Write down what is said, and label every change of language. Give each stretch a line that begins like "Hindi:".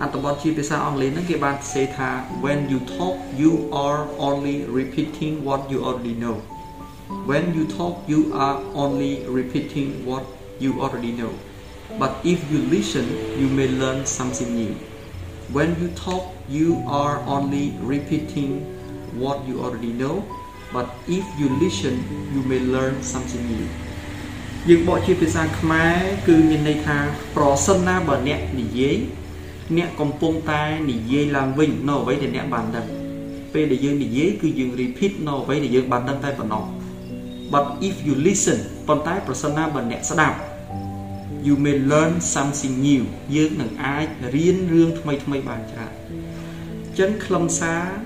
Khmer: សួស្តីសិស្សទាំងអស់គ្នាសាជាថ្មីម្ដងទៀតលោកគ្រូសូមចែករំលែកគំនិតអប់រំខ្លីមួយមុនលោកគ្រូចេញទៅប្រជុំជាភាសាអង់គ្លេសគំនិតអប់រំនេះលោកគ្រូយល់ឃើញថាត្រឹមត្រូវហើយលោកគ្រូនឹងទាញទិដ្ឋភាពមួយទៀតផ្សារភ្ជាប់ជាមួយនឹងការអប់រំផ្នែកពុទ្ធសាសនារបស់យើងអត្ថបទជាភាសាអង់គ្លេសហ្នឹងគេបានសេថា
English: when you talk you are only repeating what you already know. When you talk, you are only repeating what you already know. But if you listen, you may learn something new. When you talk, you are only repeating what you already know. But if you listen, you may learn something new.
Khmer: យើងបកជាភាសាខ្មែរគឺមានន័យថាប្រសិនណាបើអ្នកនិយាយអ្នកកំពុងតែនិយាយឡើងវិញនៅអ្វីដែលអ្នកបានដឹងពេលដែលយើងនិយាយគឺយើង repeat នៅអ្វីដែលយើងបានដឹងតែប៉ុណ្ណោះ
English: But if you listen,
Khmer: ប៉ុន្តែប្រសិនណាបើអ្នកស្ដាប់
English: you may learn something new
Khmer: យើងនឹងអាចរៀនរឿងថ្មីៗបានច្រើនអញ្ចឹងខ្លឹមសារ